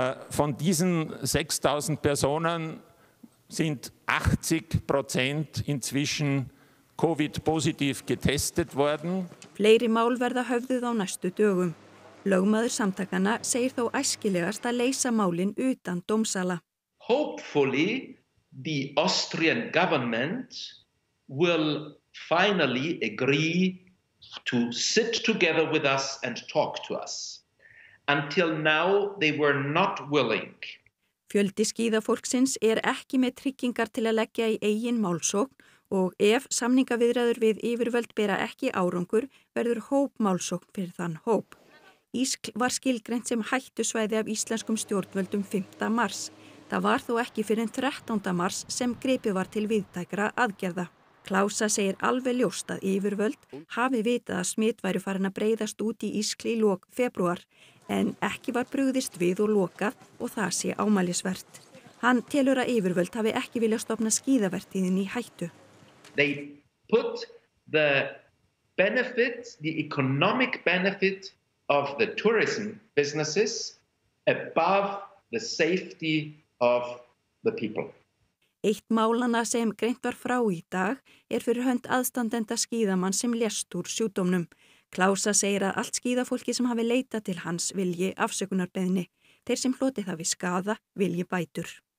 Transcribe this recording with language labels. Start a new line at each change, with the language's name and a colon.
German: Von diesen 6.000 Personen sind 80% inzwischen Covid-positiv getestet worden.
Icelandic: Fleiri mál verða höfðuð á næstu dögum. Lögmaður samtakana segir þó æskilegast að leysa málin utan dómsala.
English: Hopefully the Austrian government will finally agree to sit together with us and talk to us. Until now they were not willing.
Icelandic: Fjöldi skíðafólksins ekki með tryggingar til að leggja í eigin málsókn og ef samningaviðræður við yfirvöld bera ekki árangur verður hópmálsókn fyrir þann hóp. Ískl var skilgreint sem hættusvæði af íslenskum stjórnvöldum 5. mars. Það var þó ekki fyrir 13. mars sem gripið var til víðtækra aðgerða. Klása segir alveg ljóst að yfirvöld hafi vitað að smit væri farin að breiðast út í Ískli í lok febrúar, en ekki var brugðist við og lokað og það sé ámælisvert. Hann telur að yfirvöld hafi ekki vilja stofna skíðavertíðin í hættu.
English: They put the benefits, the economic benefit of the tourism businesses above the safety of the people.
Icelandic: Eitt málanna sem greint var frá í dag fyrir hönd aðstandenda skíðamann sem lést úr sjúkdómnum. Klása segir að allt skíðafólki sem hafi leitað til hans vilji afsökunarbeiðni. Þeir sem hlotið hafi skaða vilji bætur.